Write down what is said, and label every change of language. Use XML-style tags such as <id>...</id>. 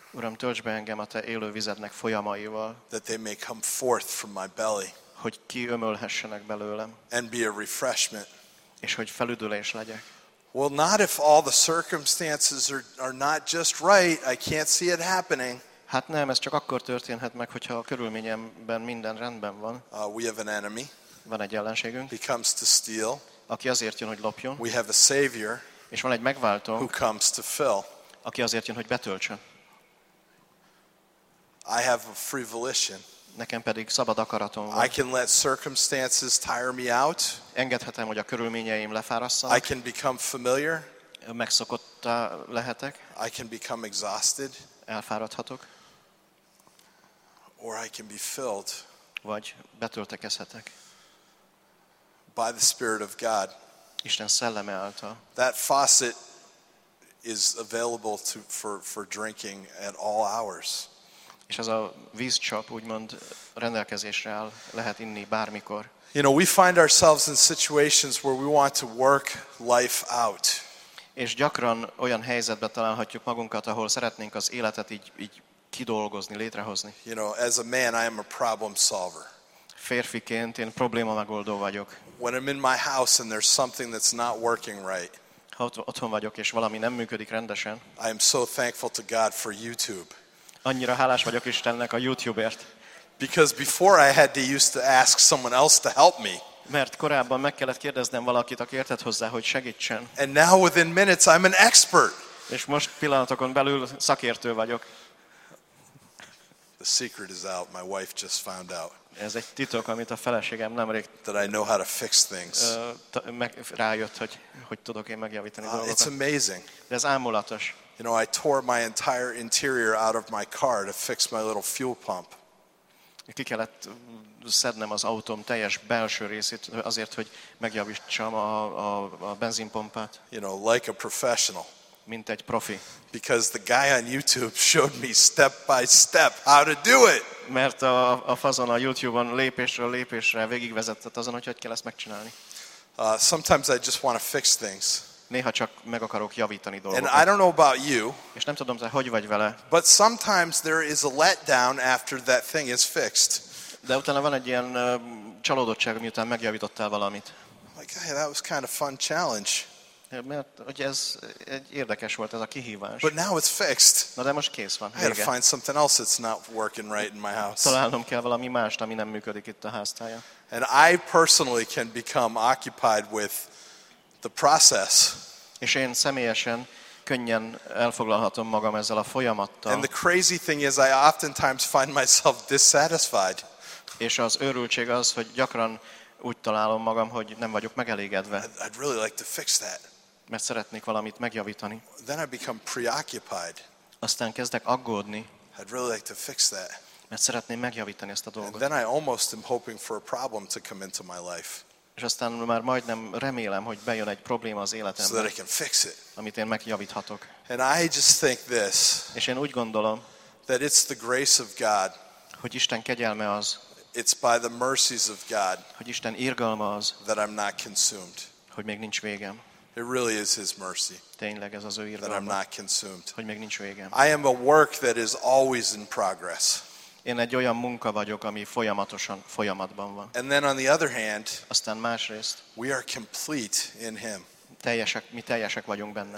<hu>Uram, tölts be engem a te élő vizednek folyamaival.</hu> <en>That they may come forth from my belly.</en> <hu>Hogy kiömölhessenek belőlem.</hu> <en>And be a refreshment.</en> <hu>És hogy felüdülés legyek.</hu> <en>Well, not if all the circumstances are not just right. I can't see it happening.</en> <hu>Hát nem, ez csak akkor történhet meg, hogyha a körülményemben minden rendben van.</hu> <en>We have an enemy.</en> <hu>Van egy ellenségünk.</hu> <en>He comes to steal.</en> <hu>Aki azért jön, hogy lopjon.</hu> <en>We have a savior.</en> <hu>És van egy megváltó.</hu> <en>Who comes to fill.</en> <hu>Aki azért jön, hogy betöltsön.</hu> <en>I have a free volition.</en> <hu>Nekem pedig szabad akaratom van.</hu> <en>I can let circumstances tire me out.</en> <hu>Engedhetem, hogy a körülményeim lefárasszanak.</hu> <en>I can become familiar.</en> <hu>Megszokottá lehetek.</hu> <en>I can become exhausted.</en> <hu>Elfáradhatok.</hu> <en>Or I can be filled.</en> <hu>Vagy betöltekezhetek.</hu> <en>By the Spirit of God.</en> <hu>Isten szelleme által.</hu> <en>That faucet is available to for drinking at all hours.</en> <hu>És ez a vízcsap úgymond rendelkezésre áll, lehet inni bármikor.</hu> <en>You know, we find ourselves in situations where we want to work life out.</en> <hu>És gyakran olyan helyzetbe találhatjuk magunkat, ahol szeretnénk az életet így kidolgozni, létrehozni.</hu> <en>You know, as a man, I am a problem solver.</en> <hu>Férfiként én probléma megoldó vagyok.</hu> <en>When I'm in my house and there's something that's not working right.</en> <hu>Ha otthon vagyok és valami nem működik rendesen.</hu> <en>I am so thankful to God for YouTube.</en> <hu>Annyira hálás vagyok Istennek a YouTube-ért.</hu> <en>Because before I had to used to ask someone else to help me.</en> <hu>Mert korábban meg kellett kérdeznem valakit, aki értett hozzá, hogy segítsen.</hu> <en>And now within minutes I'm an expert.</en> <hu>És most pillanatokon belül szakértő vagyok.</hu> <en>The secret is out. My wife just found out.</en> <hu>Ez egy titok, amit a feleségem nemrég.</hu> <en>That I know how to fix things.</en> <hu>Rájött, hogy tudok én megjavítani dolgokat.</hu> <en>It's amazing.</en> <hu>De ez ámulatos.</hu> <en>You know, I tore my entire interior out of my car to fix my little fuel pump.</en> <hu>Ki kellett szednem az autóm teljes belső részét azért, hogy megjavítsam a benzinpumpát.</hu> <en>You know, like a professional.</en> <hu>Mint egy profi.</hu> <en>Because the guy on YouTube showed me step by step how to do it.</en> <hu>Mert a fazon a YouTube-on lépésről lépésre végigvezetett azon, hogy hogy kell ezt megcsinálni.</hu> <en>Sometimes I just want to fix things.</en> <hu>Néha csak meg akarok javítani dolgokat.</hu> <en>And I don't know about you.</en> <hu>És nem tudom, hogy vagy vele.</hu> <en>But sometimes there is a letdown after that thing is fixed.</en> <hu>De utána van egy ilyen csalódottság, miután megjavítottál valamit.</hu> <en>Like, hey, that was kind of fun challenge.</en> <hu>Mert hogy ez egy érdekes volt ez a kihívás.</hu> <en>But now it's fixed.</en> <hu>Na de most kész van.</hu> <en>I gotta find something else that's not working right in my house.</en> <hu>Találnom kell valami mást, ami nem működik itt a háztája.</hu> <en>And I personally can become occupied with the process.</en> <hu>És én személyesen könnyen elfoglalhatom magam ezzel a folyamattal.</hu> <en>And the crazy thing is I oftentimes find myself dissatisfied.</en> <hu>És az örültség az, hogy gyakran úgy találom magam, hogy nem vagyok megelégedve.</hu> <en>I'd really like to fix that.</en> <hu>Mert szeretnék valamit megjavítani.</hu> <en>Then I become preoccupied.</en> <hu>Aztán kezdek aggódni.</hu> <en>I'd really like to fix that.</en> <hu>Mert szeretném megjavítani ezt a dolgot.</hu> <en>And then I almost am hoping for a problem to come into my life.</en> <hu>És aztán már majdnem remélem, hogy bejön egy probléma az életembe.</hu> <en>So that I can fix it.</en> <hu>Amit én megjavíthatok.</hu> <en>And I just think this.</en> <hu>És én úgy gondolom,</hu> <en>that it's the grace of God.</en> <hu>Hogy Isten kegyelme az.</hu> <en>It's by the mercies of God.</en> <hu>Hogy Isten irgalma az.</hu> <en>That I'm not consumed.</en> <hu>Hogy még nincs végem.</hu> <en>It really is his mercy.</en> <hu>Tényleg ez az ő irgalma.</hu> <en>That I'm not consumed.</en> <hu>Hogy még nincs végem.</hu> <en>I am a work that is always in progress.</en> <hu>Én egy olyan munka vagyok, ami folyamatban van.</hu> <en>And then on the other hand,</en> <hu>aztán másrészt,</hu> <en>we are complete in him.</en> <hu>Mi teljesek vagyunk benne.</hu>